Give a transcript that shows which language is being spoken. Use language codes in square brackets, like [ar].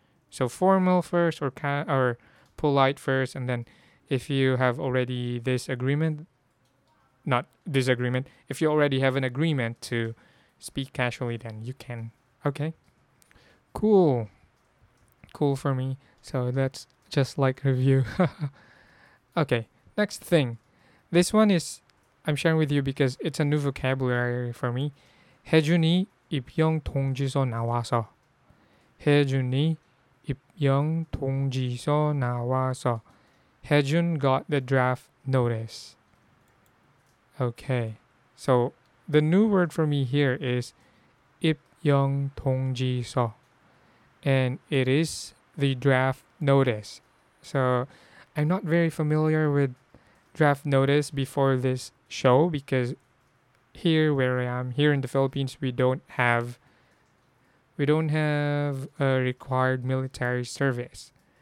[en] So formal first or polite first, and then if you have already this agreement, not disagreement, if you already have an agreement to speak casually, then you can. Okay, cool for me. So that's just like review. Okay, next thing, this one is I'm sharing with you because it's a new vocabulary for me. [ko] 해준이 입영 동지서 나와서. 해준이 입영 동지서 나와서. [en] 해준 got the draft notice. Okay, so the new word for me here is 입영 동지서, and it is the draft notice. So I'm not very familiar with draft notice before this show, because here where I am, here in the Philippines, we don't have a required military service.